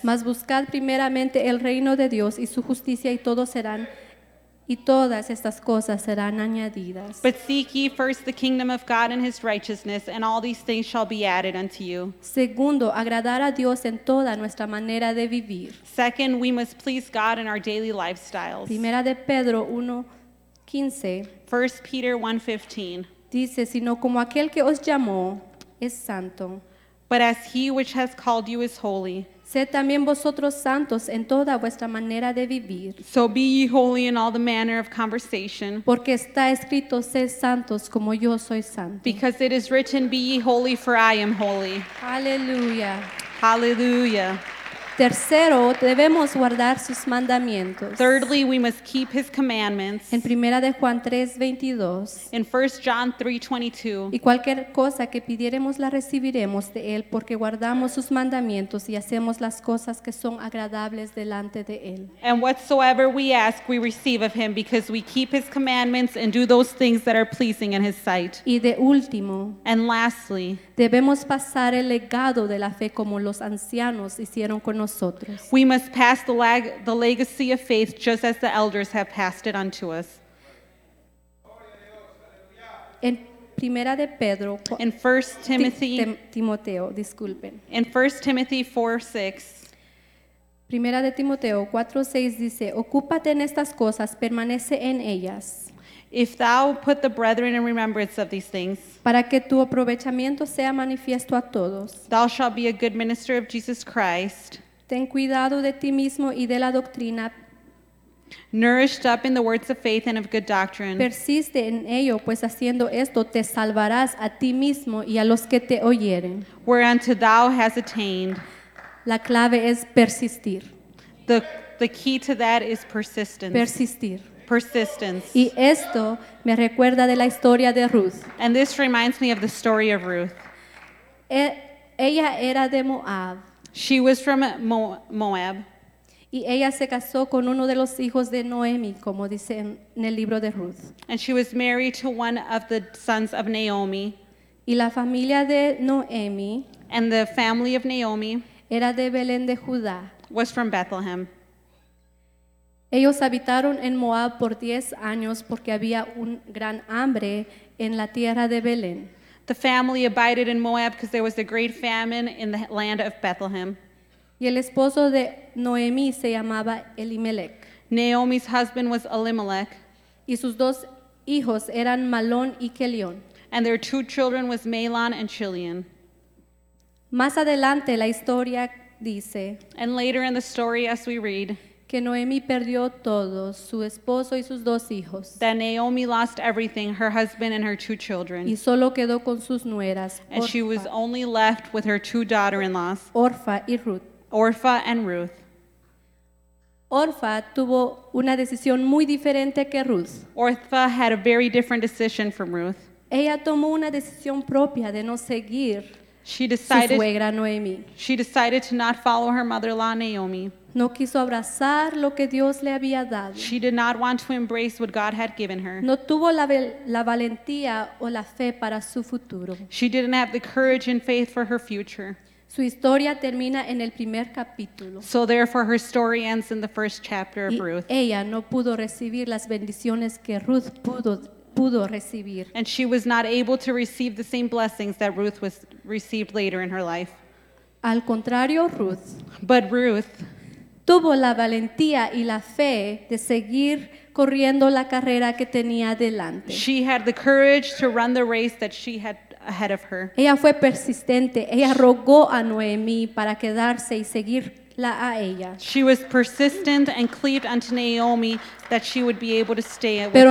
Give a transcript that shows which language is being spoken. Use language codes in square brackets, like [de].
[es] Mas buscad primeramente el reino de Dios y su justicia y todos serán y todas estas cosas serán añadidas. [en] But seek ye first the kingdom of God and His righteousness, and all these things shall be added unto you. [es] Segundo, agradar a Dios en toda nuestra manera de vivir. [en] Second, we must please God in our daily lifestyles. [es] Primera de Pedro 1:15. [en] First Peter 1:15. [es] Dice, sino como aquel que os llamó es santo. [en] But as He which has called you is holy. [es] Sed también vosotros santos en toda vuestra manera de vivir. [en] So be ye holy in all the manner of conversation. [es] Porque está escrito, sed santos como yo soy santo. [en] Because it is written, be ye holy for I am holy. [es] Aleluya. Aleluya. Tercero, debemos guardar sus mandamientos. [en] Thirdly, we must keep His commandments. [es] En Primera de Juan 3:22. [en] In 1 John 3:22. [es] Y cualquier cosa que pidiéremos la recibiremos de Él, porque guardamos sus mandamientos y hacemos las cosas que son agradables delante de Él. [en] And whatsoever we ask, we receive of Him, because we keep His commandments and do those things that are pleasing in His sight. [es] Y de último. [en] And lastly. [es] Debemos pasar el legado de la fe como los ancianos hicieron con nosotros. [en] We must pass the legacy of faith just as the elders have passed it unto us. [es] En Primera de Pedro. [en] In 1 Timothy. [es] Timoteo, disculpen. [en] In 1 Timothy 4:6. [es] Primera de Timoteo 4:6 dice, ocúpate en estas cosas, permanece en ellas. [en] If thou put the brethren in remembrance of these things, [es] para que tu aprovechamiento sea manifiesto a todos, [en] thou shalt be a good minister of Jesus Christ, [es] ten cuidado de ti mismo y de la doctrina, [en] nourished up in the words of faith and of good doctrine, [es] persiste en ello, pues haciendo esto te salvarás a ti mismo y a los que te oyeren, [en] whereunto thou hast attained. [es] La clave es persistir. [en] The key to that is persistence. [es] Persistir. [en] Persistence. [es] Y esto me recuerda de la historia de Ruth. [en] And this reminds me of the story of Ruth. [es] Ella era de Moab. [en] She was from Moab. [es] Y ella se casó con uno de los hijos de Noemi, como dice en el libro de Ruth. [en] And she was married to one of the sons of Naomi. [es] Y la familia de Noemi, [en] and the family of Naomi, [es] era de Belén de Judá, [en] was from Bethlehem. [es] Ellos habitaron en Moab por 10 años porque había un gran hambre en la tierra de Belén. [en] The family abided in Moab because there was a great famine in the land of Bethlehem. [es] Y el esposo de Noemi se llamaba Elimelech. [en] Naomi's husband was Elimelech. [es] Y sus dos hijos eran Malón y Kelión. [en] And their two children was Mahlon and Chilion. [es] Más adelante la historia dice, [en] and later in the story as we read, [es] que Noemi perdió todo, su esposo y sus dos hijos. [en] That Naomi lost everything, her husband and her two children. [es] Y solo quedó con sus nueras, Orfa. [en] And she was only left with her two daughter-in-laws, [es] Orfa y Ruth. [en] Orfa and Ruth. [es] Orfa tuvo una decisión muy diferente que Ruth. [en] Orfa had a very different decision from Ruth. [es] Ella tomó una decisión propia de no seguir. [en] She decided, [es] su suegra Noemi. [en] She decided to not follow her mother-in-law Naomi. [es] No quiso abrazar lo que Dios le había dado. [en] She did not want to embrace what God had given her. [es] No tuvo la valentía o la fe para su futuro. [en] She didn't have the courage and faith for her future. [es] Su historia termina en el primer capítulo. [en] So therefore her story ends in the first chapter of Ruth. [es] Ella no pudo recibir las bendiciones que Ruth pudo recibir. [en] And she was not able to receive the same blessings that Ruth was received later in her life. [es] Al contrario, Ruth. [en] But Ruth [es] tuvo la valentía y la fe de seguir corriendo la carrera que tenía delante. [en] She had the courage to run the race that she had ahead of her. [es] Ella fue persistente. Ella rogó a Noemi para quedarse y seguirla a ella. [en] She was persistent and cleaved unto Naomi that she would be able to stay with her.